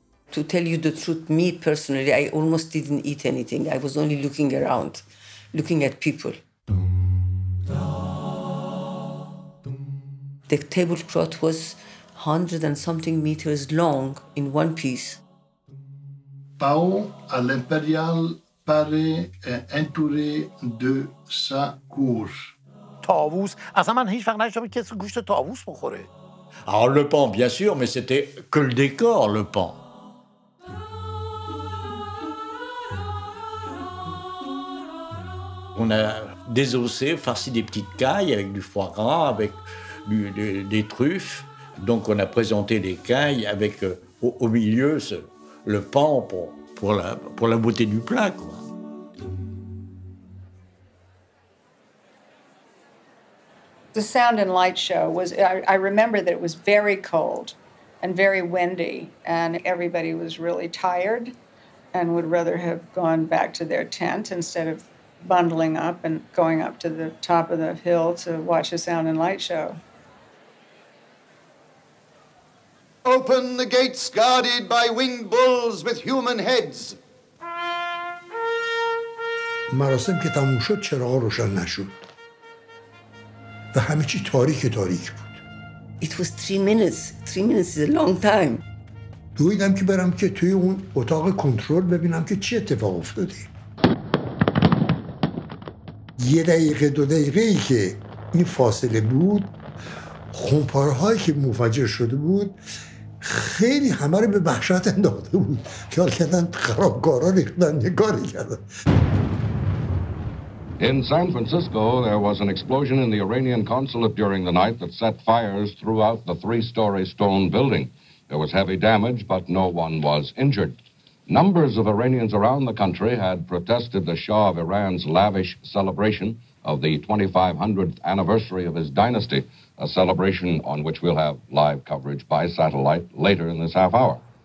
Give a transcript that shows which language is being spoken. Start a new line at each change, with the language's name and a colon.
English: To tell you the truth, me personally, I almost didn't eat anything. I was only looking around, looking at people. The tablecloth was 100 and something meters long in one piece.
French: Pao à l'impérial paraît entouré de sa cour.
Persian: Tavus, asaman hich farq nashdam kes gusht tavus bokhore.
French: Alors le pan, bien sûr, mais c'était que le décor, le pan. On a désossé, farci des petites cailles avec du foie gras, avec des truffes. Donc on a présenté des cailles avec au milieu le pan pour la beauté du plat, quoi.
English: The sound and light show was, I remember that it was very cold and very windy, and everybody was really tired and would rather have gone back to their tent instead of bundling up and going up to the top of the hill to watch a sound and light show. Open the gates guarded by winged bulls with human heads.
Persian: مراسم که تموم شد چراغ روشن نشد و همه چی تاریک تاریک بود.
English: It was 3 minutes. 3 minutes is a long time.
Persian: دویدم که برم که توی اون اتاق کنترل ببینم که چی اتفاق افتاده. یه دقیقه دو دقیقه ای که این فاصله بود خمپارهایی که مفجر شده بود خیلی همه رو به وحشت انداخته بود خیال کردن خرابکارا ریختن یه کاری کردن
English: In San Francisco, there was an explosion in the Iranian consulate during the night that set fires throughout the three-story stone building. There was heavy damage, but no one was injured. Numbers of Iranians around the country had protested the Shah of Iran's lavish celebration of the 2500th anniversary of his dynasty, a celebration on which we'll have live coverage by satellite later in this half hour.